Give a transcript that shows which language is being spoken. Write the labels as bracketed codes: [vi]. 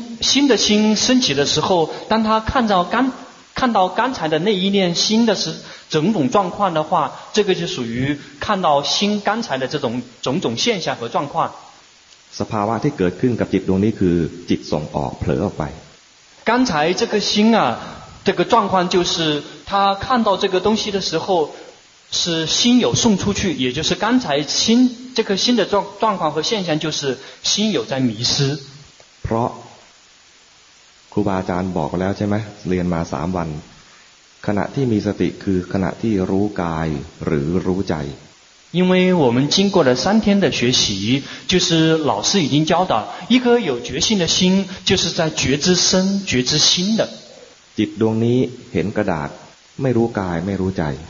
[zh] 心的心升起的时候当他看到刚才的那一念心的种种状况的话这个就属于看到心刚才的这种种种现象和状况 [th] สภาวะที่เกิดขึ้นกับจิตดวงนี้คือจิตส่งออกเผลอออกไป [zh] 刚才这个心啊这个状况就是他看到这个东西的时候是心有送出去也就是刚才心这个心的状况和现象就是心有在迷失。 [th] เพราะครูบาอาจารย์บอกแล้วใช่ไหมเรียนมา3วันขณะที่มีสติคือขณะที่รู้กายหรือรู้ใจ [zh] 因为我们经过了三天的学习就是老师已经教导一颗有觉性的心就是在觉知身觉知心的 [th] จิตดวงนี้เห็นกระดาษไม่รู้กายไม่รู้ใจ